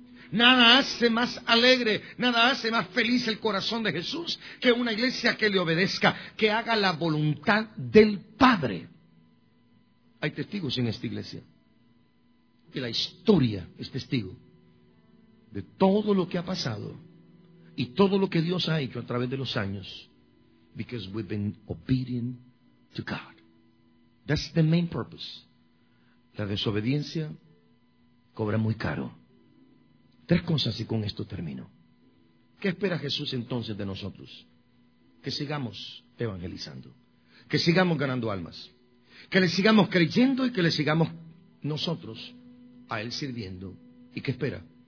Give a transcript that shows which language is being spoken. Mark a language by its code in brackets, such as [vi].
[es] Nada hace más alegre, nada hace más feliz el corazón de Jesús que una iglesia que le obedezca, que haga la voluntad del Padre. Hay testigos en esta iglesia. Y la historia es testigo de todo lo que ha pasado y todo lo que Dios ha hecho a través de los años. [en] Because we've been obedient to God. That's the main purpose. [es] La desobediencia cobra muy caro. Tres cosas y con esto termino. ¿Qué espera Jesús entonces de nosotros? Que sigamos evangelizando. Que sigamos ganando almas. Que le sigamos creyendo y que le sigamos nosotros a Él sirviendo. ¿Y qué espera?